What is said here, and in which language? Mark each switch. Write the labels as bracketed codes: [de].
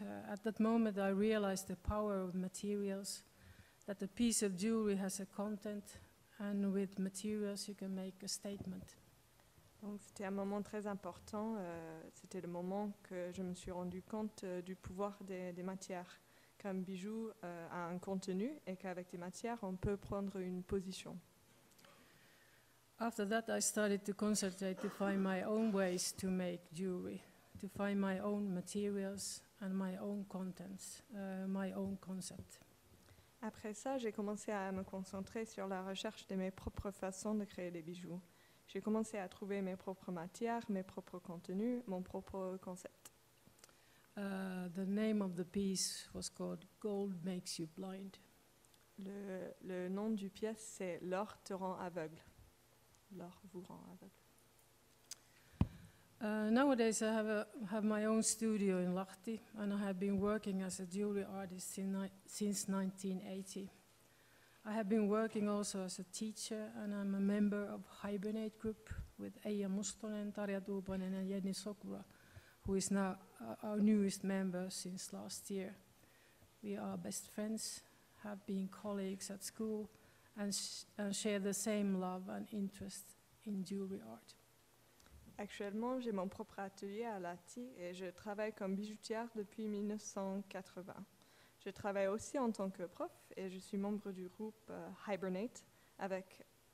[en] At that moment, I realized the power of materials, that a piece of jewelry has a content, and with materials you can make a statement. [fr] Donc c'était un moment très important, c'était le moment que je me suis rendu compte du pouvoir des matières, qu'un bijou a un contenu et qu'avec des matières on peut prendre une position. [en] After that I started to concentrate to find my own ways to make jewelry, to find my own materials and my own contents, my own concept. [fr] Après ça, j'ai commencé à me concentrer sur la recherche de mes propres façons de créer des bijoux. J'ai commencé à trouver mes propres matières, mes propres contenus, mon propre concept. [en] The name of the piece was called Gold Makes You Blind. [fr] Le nom du pièce, c'est L'or te rend aveugle. L'or vous rend aveugle. [en] Nowadays, I have my own studio in Lahti, and I have been working as a jewelry artist since 1980. I have been working also as a teacher, and I'm a member of Hibernate Group with Eija Mustonen, Tarja Tuupanen, and Jenny Sokura, who is now our newest member since last year. We are best friends, have been colleagues at school, and share the same love and interest in jewelry art. [fr] Actuellement, j'ai mon propre atelier à Lahti et je travaille comme bijoutière depuis 1980. Je travaille aussi en tant que prof et je suis membre du groupe Hibernate avec